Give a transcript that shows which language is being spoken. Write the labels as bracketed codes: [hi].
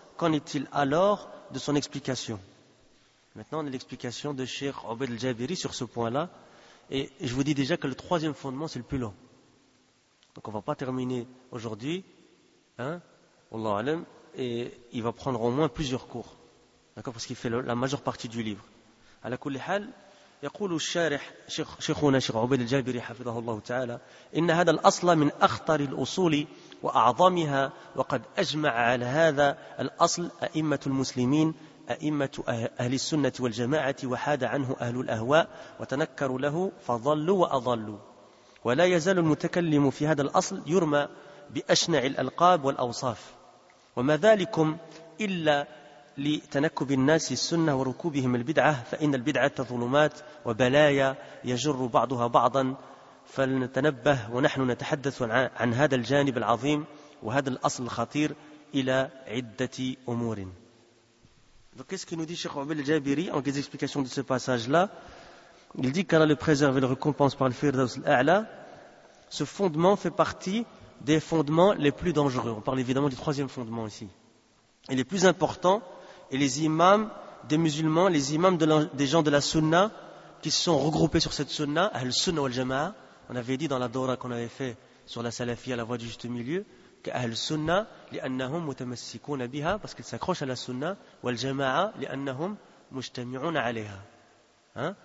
[fr] Qu'en est-il alors de son explication? Maintenant, on a l'explication de Cheikh Obed al-Jabiri sur ce point-là. Et je vous dis déjà que le troisième fondement, c'est le plus long. Donc on ne va pas terminer aujourd'hui, hein, Allah alam, et il va prendre au moins plusieurs cours. D'accord? Parce qu'il fait la majeure partie du livre. [ar] À la kulli hal, يقول الشارح شيخنا شيخ عبيد الجابري حفظه الله تعالى إن هذا الأصل من أخطر الأصول وأعظمها وقد أجمع على هذا الأصل أئمة المسلمين أئمة أهل السنة والجماعة وحاد عنه أهل الأهواء وتنكروا له فضلوا وأضلوا ولا يزال المتكلم في هذا الأصل يرمى بأشنع الألقاب والأوصاف وما ذلكم إلا لتنكب الناس السنة وركوبهم البدعة فإن البدعة ظلمات وبلايا يجر بعضها بعضا فلنتنبه ونحن نتحدث عن هذا الجانب العظيم وهذا الأصل الخطير إلى عدة أمور. [fr] Donc qu'est-ce que nous dit Cheikh Abdel Jabiri en guise d'explication de ce passage-là? Il dit qu'Allah le préserve et le récompense par le Firdaus al-A'la. Ce fondement fait partie des fondements les plus dangereux. On parle évidemment du troisième fondement ici. Il est plus important, et les imams des musulmans, les imams des gens de la sunna qui se sont regroupés sur cette sunna, Ahl sunna wal jama'a, on avait dit dans la dora qu'on avait fait sur la salafia, la voie du juste milieu, [ar] كأهل السنة لأنهم متمسكون بها [fr] parce qu'ils s'accrochent à la sunna, [ar] والجماعة لأنهم مجتمعون عليها, [fr] hein?